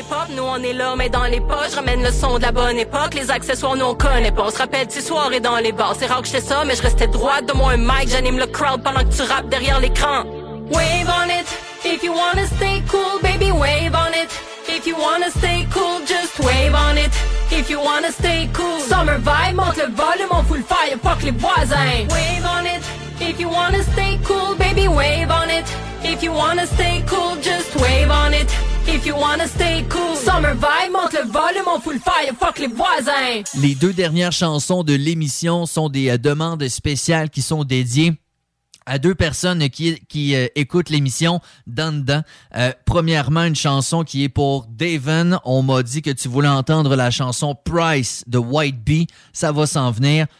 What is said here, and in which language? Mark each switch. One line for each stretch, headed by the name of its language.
French: Nous on est là, mais dans les poches. Ramène le son de la bonne époque. Les accessoires, nous on connaît pas. On se rappelle ces soirées dans les bars. C'est rare que j'fais ça, mais je restais droite. Donne-moi un mic, j'anime le crowd pendant que tu rappes derrière l'écran.
English: Wave on it. If you wanna stay cool, baby, wave on it. If you wanna stay cool, just wave on it. If you wanna stay cool, summer vibe,
French: monte le volume,
English: on full fire, fuck
French: les voisins.
English: Wave on it. If you wanna stay cool, baby, wave on it. If you wanna stay cool, just wave on it. If you wanna stay cool, summer vibe,
French: monte le volume,
English: on full fire, fuck
French: les voisins. Les deux dernières chansons de l'émission sont des demandes spéciales qui sont dédiées à deux personnes qui écoutent l'émission Danda. Premièrement, une chanson qui est pour Daven. On m'a dit que tu voulais entendre la chanson Price de White Bee. Ça va s'en venir.